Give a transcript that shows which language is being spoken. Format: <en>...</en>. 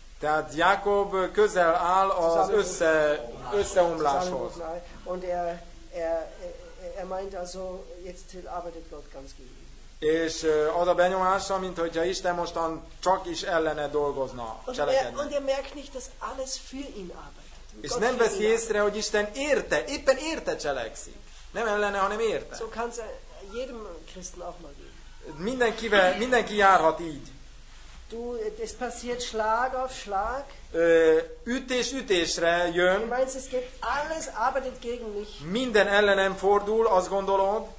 <hu>Tehát Jakob közel áll az összeomláshoz.</hu> <de>Und er meint also, jetzt arbeitet Gott ganz gegen ihn.</de> <hu>És az a benyomása, mintha Isten mostan csak is ellene dolgozna, cselekedne.</hu> <de>Und er merkt nicht, dass alles für ihn arbeitet.</de> <hu>És nem veszi észre, hogy Isten érte, éppen érte cselekszik. Nem ellene, hanem érte.</hu> <de>So kann's jedem Christen auch mal gehen.</de> <hu>Mindenki járhat így.</hu> <de>Du, es passiert Schlag auf Schlag.</de> <hu>Ütés ütésre jön.</hu> <de>Du meinst, es geht alles arbeitet gegen mich.</de> <hu>Minden ellenem fordul, azt gondolod.</hu>